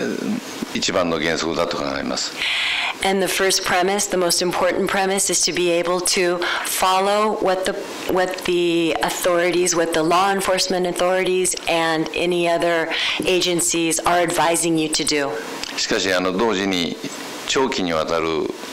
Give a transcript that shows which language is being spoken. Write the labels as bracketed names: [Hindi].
[Japanese] それに従って、警察やそういう指示に従って行動するというのが一番の原則だと考えます。 [English] And the first premise, the most important premise, is to be able to follow what the authorities, what the law enforcement authorities and any other agencies are advising you to do. [Japanese] しかし、同時に長期にわたる